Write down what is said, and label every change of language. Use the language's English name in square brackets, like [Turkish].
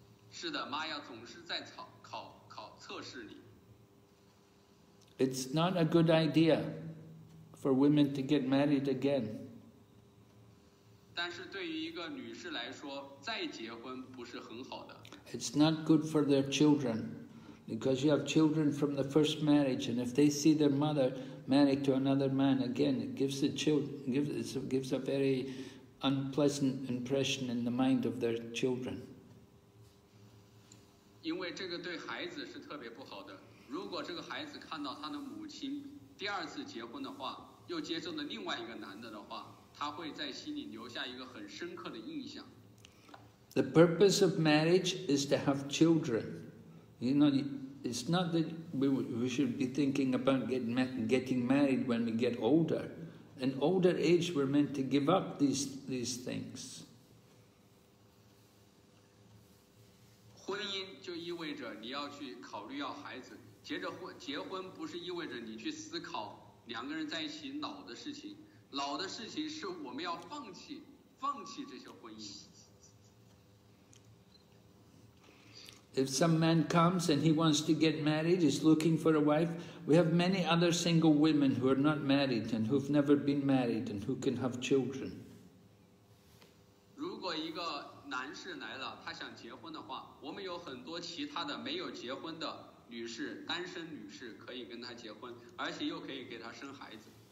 [Chinese] 是的，玛雅总是在考测试你。 [English] It's not a good idea for women to get married again. [Chinese] 但是对于一个女士来说，再结婚不是很好的。 [English] It's not good for their children, because you have children from the first marriage, and if they see their mother married to another man again, it gives the children gives a very unpleasant impression in the mind of their children. [Chinese] 因为这个对孩子是特别不好的。如果这个孩子看到他的母亲第二次结婚的话，又接受了另外一个男的的话，他会在心里留下一个很深刻的印象。 [English] The purpose of marriage is to have children. You know, it's not that we should be thinking about getting married when we get older. In older age, we're meant to give up these things. [Chinese] 婚姻就意味着你要去考虑要孩子，结婚不是意味着你去思考两个人在一起老的事情，老的事情是我们要放弃这些婚姻。 [English] If some man comes and he wants to get married, he's looking for a wife. We have many other single women who are not married and who've never been married and who can have children. [Chinese] 如果一个男士来了，他想结婚的话，我们有很多其他的没有结婚的女士，单身女士可以跟他结婚，而且又可以给他生孩子。